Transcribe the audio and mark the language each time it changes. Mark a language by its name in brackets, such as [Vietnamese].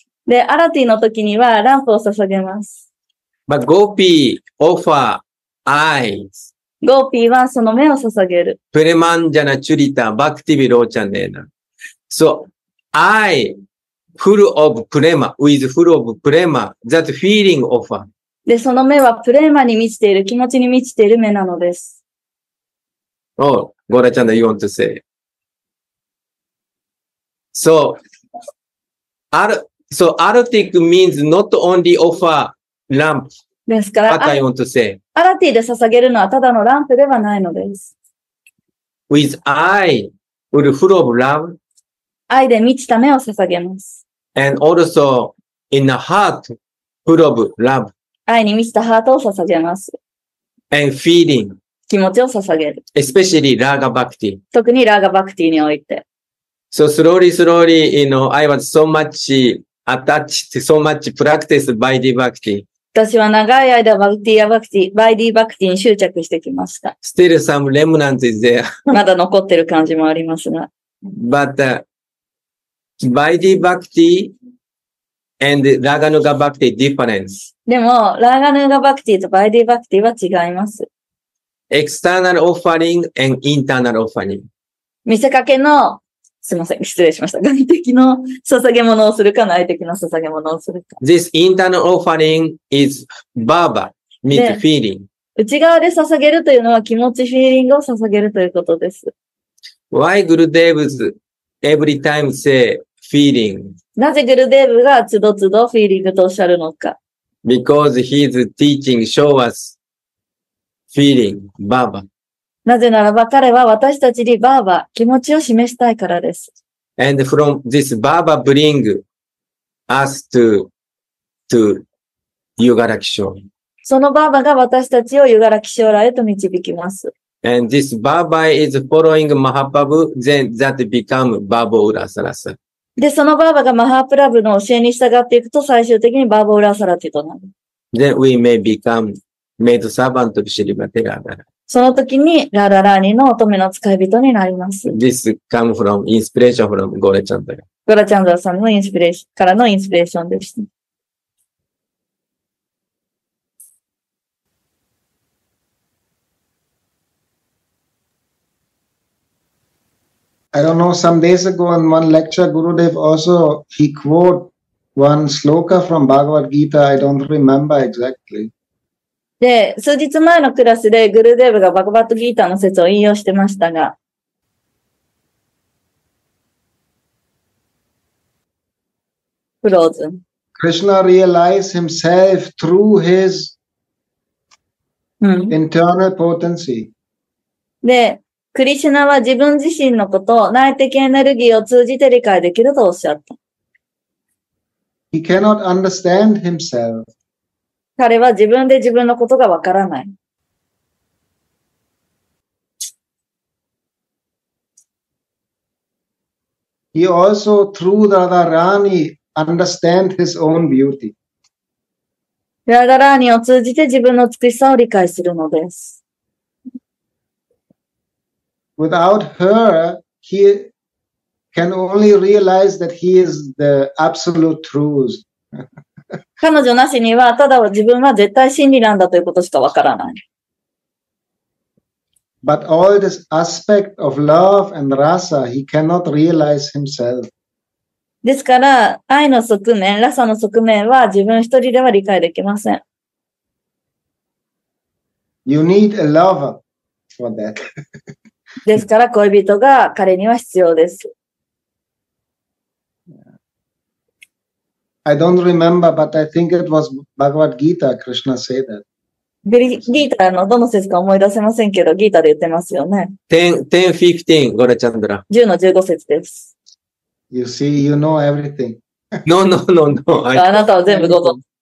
[Japanese] で、アラティの時にはランプを捧げます。 [English] But Gopi offer eyes. [Japanese] Gopi はその目を捧げる。 [Sanskrit] プレマンジャナチュリタ、バクティビローチャネーナ。 [English] So, I, full of prema, with full of prema, that feeling offer. [Japanese] で、その目はプレマに満ちている、気持ちに満ちている目なのです。 [English] Oh, ゴラチャンダ、you want to say. So, So, aratik means not only offer lamp. [Japanese] ですから、 [English] what I want to say. [Japanese] Arati で捧げるのはただのランプではないのです。 [English] With eye, with full of love. [Japanese] 愛で満ちた目を捧げます。 [English] And also, in a heart, full of love. [Japanese] 愛に満ちたハートを捧げます。 [English] And feeling. [Japanese] 気持ちを捧げる。 [English] Especially Raga Bhakti. [Japanese] 特にラーガバクティにおいて。 [English] So, slowly, slowly, you know, I was so much attached so much practice by the bhakti. [Japanese] 私は長い間バクティやバクティ、バイディバクティに執着してきました。 [English] Still some remnants is there. [Japanese] まだ残ってる感じもありますが。 [English] But, バイディバクティ and ラガヌガバクティ difference. [Japanese] でも、ラガヌガバクティとバイディバクティは違います。 [English] External offering and internal offering. [Japanese] 見せかけのすみません。失礼しました。外的の捧げ物をするか、内的の捧げ物をするか。 [English] This internal offering is baba, means feeling. [Japanese] 内側で捧げるというのは気持ち、フィーリングを捧げるということです。 [English] Why Gurudev every time say feeling? [Japanese] なぜグルデーブがつどつどフィーリングとおっしゃるのか。 [English] Because he's teaching, show us feeling, baba. [Japanese] なぜならば彼は私たちにバーバー、気持ちを示したいからです。 [English] And from this Baba bring us to Yugara Kishore. [Japanese] そのバーバーが私たちをユガラキショーラへと導きます。 [English] And this Baba is following Mahaprabhu, then that become Baba Urasarasa. [Japanese] で、そのバーバーがマハプラブの教えに従っていくと最終的にバーバーウラサラティとなる。 [English] Then we may become maid servant of Shri Mata Radha. [Japanese] その時に、ラララーニの乙女の使い人になります。 [English] This come from inspiration from Gora Chandra. [Japanese] Gora Chandra さんのインスピレーションからのインスピレーションでした。 [English] I don't know, some days ago in one lecture, Gurudev also, he quote one sloka from Bhagavad Gita, I don't remember exactly. [Japanese] で、数日前のクラスでグルデーブがバグバットギーターの説を引用してましたが。 [English] frozen. Krishna realized himself through his internal potency. [Japanese] で、クリシュナは自分自身のことを内的エネルギーを通じて理解できるとおっしゃった。 [English] He cannot understand himself. [Japanese] 彼は自分で自分のことがわからない。 [English] He also, through the Radharani, understand his own beauty. [Japanese] Radharani を通じて自分の美しさを理解するのです。 [English] Without her, he can only realize that he is the absolute truth. [Japanese] 彼女なしには、ただ自分は絶対真理なんだということしかわからない。 [English] But all this aspect of love and rasa, he cannot realize himself. [Japanese] ですから、愛の側面、ラサの側面は自分一人では理解できません。 [English] You need a lover for that. [Japanese] ですから、恋人が彼には必要です。 [English] I don't remember, but I think it was Bhagavad Gita, Krishna said that. [Japanese] ギータのどの説か思い出せませんけど、ギータで言ってますよね。 [English] 10-15、ゴラチャンドラ。 [Japanese] 10の15節です。 [English] You see, you know everything. No, no, no, no. [Japanese] あなたは全部どうぞ。